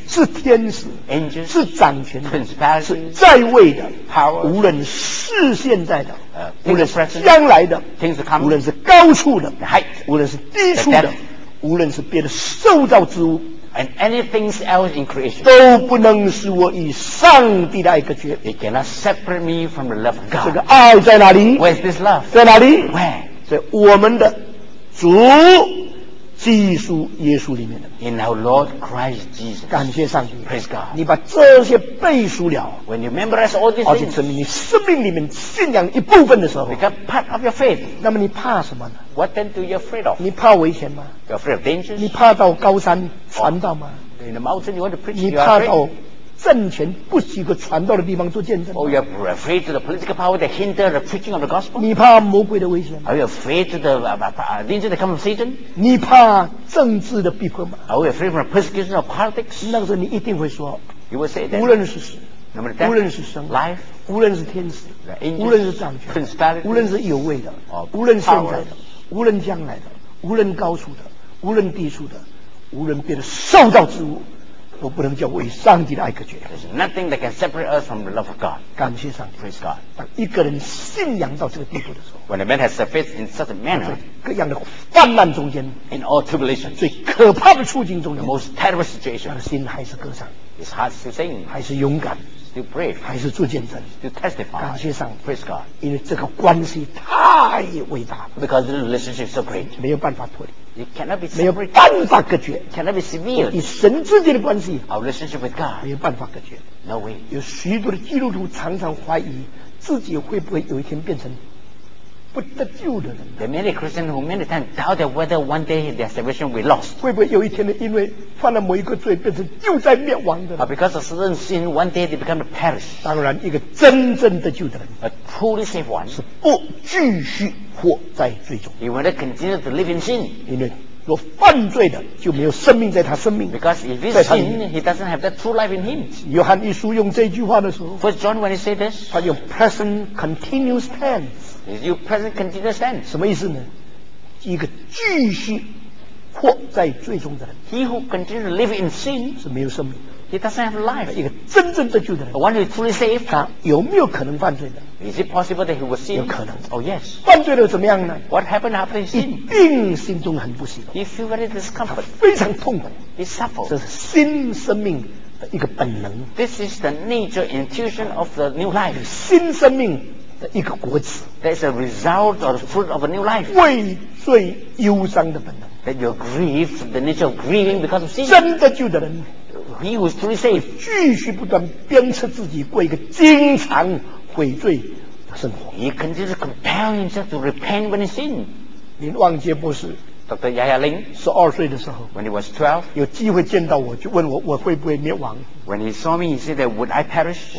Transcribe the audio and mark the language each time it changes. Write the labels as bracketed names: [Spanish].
[Chinese] 是天使。 [English] Angels. [Chinese] 是掌权的。 [English] Principality. [Chinese] 是在位的。 [English] Power. [Chinese] 无论是现在的。无论是将来的。 [English] Things come. [Chinese] 无论是高处的。 [English] The height. [Chinese] 无论是低处的。无论是别的受造之物。 [English] And anything else in creation. [Chinese] 都不能使我与上帝的爱隔绝。 [English] It cannot separate me from the love of God. [Chinese] 这个爱在哪里？ [English] Where is this love? [Chinese] 在哪里？ [English] Where? [Chinese] 在我们的主基督耶稣里面的。 [English] In our Lord Christ Jesus. [Chinese] 感谢上帝。 [English] Praise God. [Chinese] 你把这些背熟了。 [English] When you memorize all these things. [Chinese] 而且证明你生命里面信仰一部分的时候。 [English] Become part of your faith. [Chinese] 那么你怕什么呢？ [English] What then do you afraid of? [Chinese] 你怕危险吗？ [English] You're afraid of danger. [Chinese] 你怕到高山传道吗？ [English] In the mountain you want to preach. [Chinese] 你怕到政权不许可传道的地方做见证。 [English] Oh, you're afraid of the political power that hinder the preaching of the gospel? [Chinese] 你怕魔鬼的危险？ [English] Are you afraid of the danger that comes from Satan? [Chinese] 你怕政治的逼迫吗？ [English] Are you afraid of the persecution of politics? [Chinese] 那个时候你一定会说， [English] you will say that, [Chinese] 无论是死， [English] no matter death, [Chinese] 无论是生， [English] life, [Chinese] 无论是天使， [English] the angels, [Chinese] 无论是掌权， [English] principality, [Chinese] 无论是有位的， [English] power, [Chinese] 无论现在的，无论将来的，无论高处的，无论低处的，无论别的受造之物，都不能叫为上帝的爱隔绝。 [English] There's nothing that can separate us from the love of God. [Chinese] 感谢上帝。 [English] Praise God. [Chinese] 当一个人信仰到这个地步的时候， [English] When a man has surfaced in such a manner, [Chinese] 各样的患难中间， [English] In all tribulation, [Chinese] 最可怕的处境中间， [English] The most terrible situation, [Chinese] 他的心还是歌唱， [English] His heart still singing, [Chinese] 还是勇敢， [English] Still brave, [Chinese] 还是做见证， [English] Still testify. [Chinese] 感谢上帝。 [English] Praise God. [Chinese] 因为这个关系太伟大了， [English] Because the relationship is so great, [Chinese] 没有办法脱离， [English] It cannot be [Chinese] 没有办法隔绝， [English] cannot be severed. [Chinese] 与神之间的关系， [English] our relationship with God, [Chinese] 没有办法隔绝。 [English] No way. [Chinese] 有许多的基督徒常常怀疑自己会不会有一天变成不得救的人。 [English] There are many Christians who many times doubt whether one day their salvation will be lost. [Chinese] 会不会有一天因为犯了某一个罪变成救灾灭亡的人？ [English] Because of certain sin, one day they become perish. [Chinese] 当然，一个真正的救的人， [English] a truly saved one, [Chinese] 是不继续活在罪中。 [English] He will continue to live in sin. [Chinese] 因为若犯罪的就没有生命在他生命。 [English] Because if he sin, he doesn't have that true life in him. [Chinese] 约翰一书用这句话的时候， [English] First John when he say this, [Chinese] 他用 [English] present continuous tense. Is your present continuous tense? [Chinese] 什么意思呢？一个继续活在罪中的人。 [English] He who continues to live in sin [Chinese] 是没有生命。 [English] He doesn't have life. [Chinese] 一个真正的救的人， [English] The one who is truly saved, [Chinese] 他有没有可能犯罪的？ [English] Is it possible that he will sin? [Chinese] 有可能。 [English] Oh yes. [Chinese] 犯罪了怎么样呢？ [English] What happened after he sinned? [Chinese] 一定心中很不喜乐。 [English] He feels very discomfort. [Chinese] 他非常痛苦。 [English] He suffers. [Chinese] 这是新生命的一个本能。 [English] This is the nature intuition of the new life. [Chinese] 新生命的一个果子。 [English] That is a result or the fruit of a new life. [Chinese] 为罪忧伤的本能。 [English] That you grieve, the nature of grieving because of sin. [Chinese] 真的救的人。 [English] He who is truly saved. [Chinese] 继续不断鞭策自己过一个经常悔罪的生活。 [English] He continues to compel himself to repent when he sinned. [Chinese] 林旺杰博士 [English] ，Dr. Yaya Lin， [Chinese] 十二岁的时候 [English] ，When he was 12， [Chinese] 有机会见到我，就问我会不会灭亡。 [English] When he saw me, he said that would I perish?